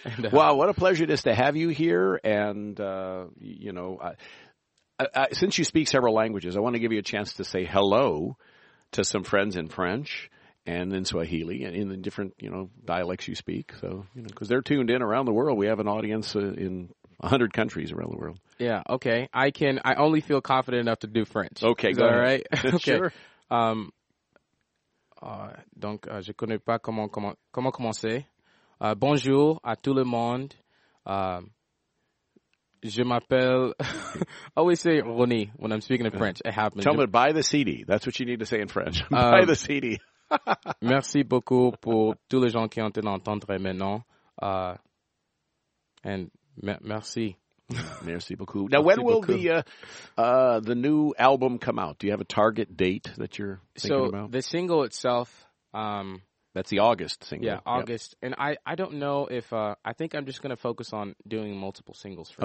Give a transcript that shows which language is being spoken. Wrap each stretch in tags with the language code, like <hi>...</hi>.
<en>Wow, what a pleasure it is to have you here. And, you know, since you speak several languages, I want to give you a chance to say hello to some friends in French and in Swahili and in the different, you know, dialects you speak. So, you know, because they're tuned in around the world. We have an audience in 100 countries around the world. Yeah, okay. I only feel confident enough to do French. Okay, is go that ahead. All right? Okay. Sure.</en> <fr>Donc, je ne connais pas comment commencer. Bonjour à tout le monde. Je m'appelle...</fr> <en>I always say Ronnie when I'm speaking in French. It happens. Tell me, buy the CD. That's what you need to say in French. Buy the CD.</en> <fr>Merci beaucoup pour tous les gens qui ont été entendre maintenant.</fr> <en>And...</en> <fr>Merci. Merci beaucoup.</fr> <en>Now, when will the new album come out? Do you have a target date that you're thinking about? So, the single itself... That's the August single. Yeah, August. Yep. And I don't know if... I think I'm just going to focus on doing multiple singles for</en>